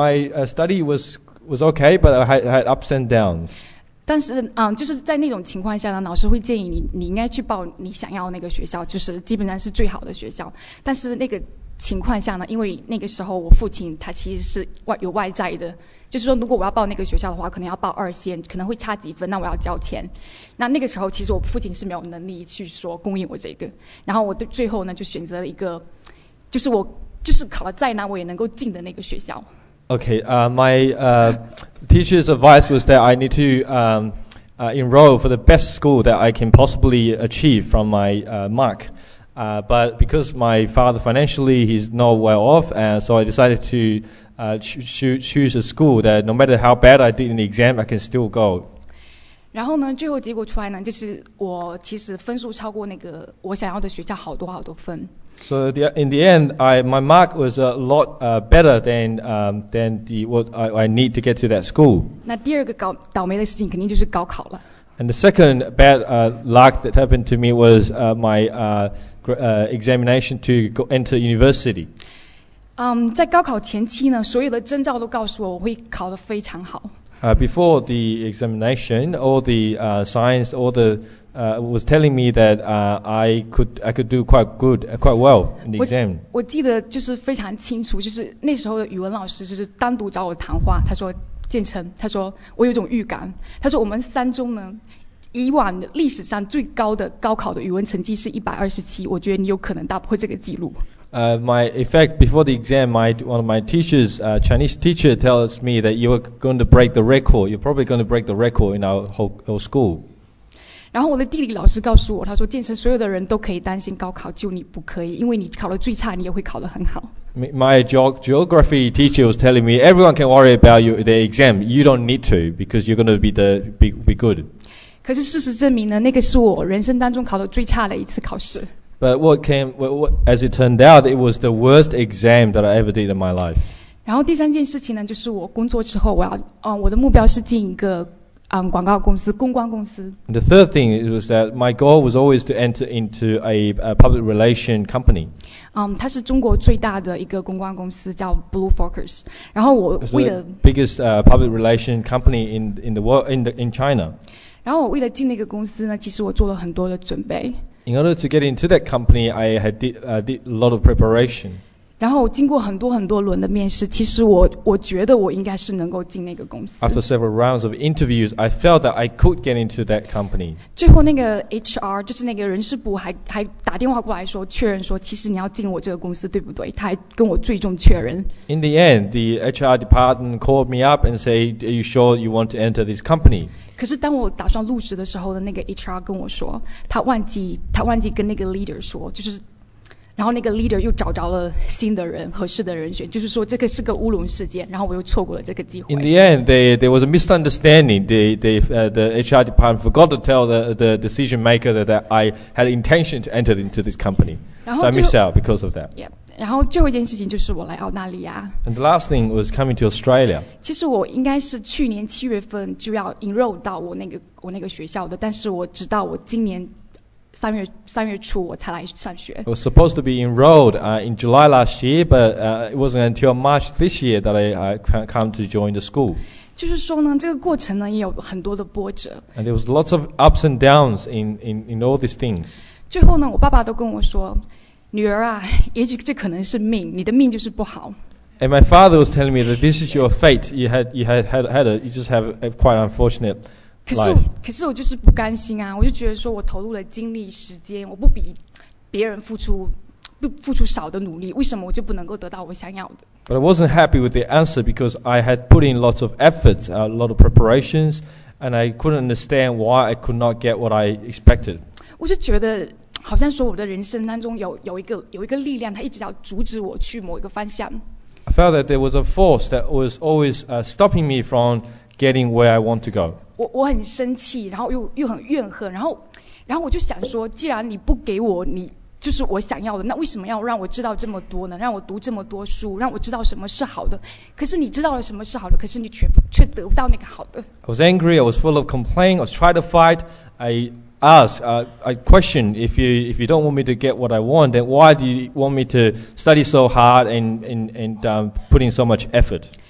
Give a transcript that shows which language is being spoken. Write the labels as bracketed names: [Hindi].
[English] My study was okay, but I had ups and downs. [Chinese] 但是，就是在那种情况下呢，老师会建议你，你应该去报你想要那个学校，就是基本上是最好的学校。但是那个情况下呢，因为那个时候我父亲他其实是有外债的，就是说如果我要报那个学校的话，可能要报二线，可能会差几分，那我要交钱。那个时候其实我父亲是没有能力去说供应我这个，然后我最后呢就选择了一个，就是我就是考了再难我也能够进的那个学校。 [English] Okay, my teacher's advice was that I need to enroll for the best school that I can possibly achieve from my mark. But because my father financially he's not well off, so I decided to choose a school that no matter how bad I did in the exam, I can still go. [Chinese] 然后呢，最后结果出来呢，就是我其实分数超过那个我想要的学校好多好多分。 [English] So in the end, my mark was a lot better than the what I need to get to that school. [Chinese] 那第二个倒霉的事情肯定就是高考了。 [English] And the second bad luck that happened to me was my examination to go enter university. [Chinese] 在高考前期呢，所有的征兆都告诉我我会考得非常好。 [English] Before the examination, all the signs, all the was telling me that I could do quite well in the exam. [Chinese] 我记得就是非常清楚，就是那时候的语文老师就是单独找我谈话，他说建成，他说我有种预感，他说我们三中呢，以往历史上最高的高考的语文成绩是127，我觉得你有可能打破这个记录。 [English] One of my teachers, Chinese teacher, tells me that you are going to break the record. You're probably going to break the record in our whole school. [Chinese] 然后我的地理老师告诉我，他说建成所有的人都可以担心高考，就你不可以，因为你考得最差，你也会考得很好。 [English] My geography teacher was telling me everyone can worry about you the exam. You don't need to because you're going to be good. [Chinese] 可是事实证明呢，那个是我人生当中考得最差的一次考试。 [English] But as it turned out, it was the worst exam that I ever did in my life. [Chinese] 然后第三件事情呢，就是我工作之后，我的目标是进一个广告公司，公关公司。 [English] And the third thing was that my goal was always to enter into a public relation company. [Chinese] 它是中国最大的一个公关公司，叫 Blue Focus. 然后我为了 [English] biggest public relation company in the world in China. [Chinese] 然后我为了进那个公司呢，其实我做了很多的准备。 [English] In order to get into that company, I had did a lot of preparation. [Chinese] 然后经过很多很多轮的面试，其实我觉得我应该是能够进那个公司。 [English] After several rounds of interviews, I felt that I could get into that company. [Chinese] 最后那个 HR 就是那个人事部还打电话过来说确认说其实你要进我这个公司对不对？他还跟我最终确认。 [English] In the end, the HR department called me up and said, "Are you sure you want to enter this company?" [Chinese] 可是当我打算入职的时候呢，那个 HR 跟我说，他忘记跟那个 leader 说，就是。然后那个 leader 又找着了新的人，合适的人选，就是说这个是个乌龙事件，然后我又错过了这个机会。 [English] In the end, there was a misunderstanding. The HR department forgot to tell the decision maker that I had intention to enter into this company. So I missed out because of that. Yeah. [Chinese] 然后最后一件事情就是我来澳大利亚。 [English] And the last thing was coming to Australia. [Chinese] 其实我应该是去年七月份就要 enroll 到我那个学校的，但是我直到我今年三月初我才来上学。 [English] I was supposed to be enrolled in July last year, but it wasn't until March this year that I come to join the school. [Chinese] 就是说呢，这个过程呢也有很多的波折。 [English] And there was lots of ups and downs in all these things. [Chinese] 最后呢，我爸爸都跟我说，女儿啊，也许这可能是命，你的命就是不好。 [English] And my father was telling me that this is your fate. You just have a quite unfortunate. [Chinese] 可是我就是不甘心啊，我就觉得说我投入了精力时间，我不比别人付出少的努力，为什么我就不能够得到我想要的。 [English] But I wasn't happy with the answer because I had put in lots of efforts, a lot of preparations, and I couldn't understand why I could not get what I expected. [Chinese] 我就觉得好像说我的人生当中有一个力量它一直要阻止我去某一个方向。 [English] I felt that there was a force that was always stopping me from getting where I want to go. [Chinese] 我很生气，然后又很怨恨，然后我就想说，既然你不给我，你就是我想要的，那为什么要让我知道这么多呢？让我读这么多书，让我知道什么是好的。可是你知道了什么是好的，可是你却不却得不到那个好的。 [English] I was angry. I was full of complaint. I was trying to fight. I questioned if you don't want me to get what I want, then why do you want me to study so hard and put in so much effort?